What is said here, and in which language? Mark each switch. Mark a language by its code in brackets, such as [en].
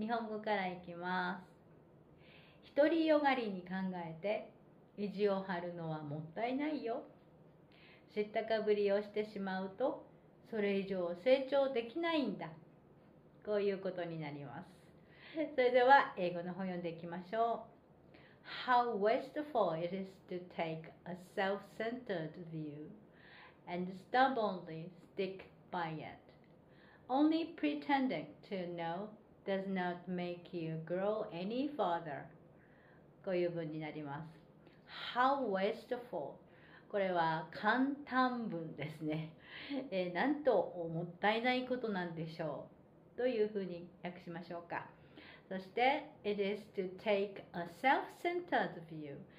[ja] 日本語からいきます。独りよがりに考えて意地を張るのはもったいないよ。知ったかぶりをしてしまうと、それ以上成長できないんだ。こういうことになります。それでは英語の方を読んでいきましょう。 [en] How wasteful it is to take a self-centered view and stubbornly stick by it. Only pretending to know does not make you grow any farther. [ja] こういう文になります。 [en] How wasteful。 [ja] これは感嘆文ですね。なんともったいないことなんでしょうというふうに訳しましょうか。 [en] そして It is to take a self-centered view.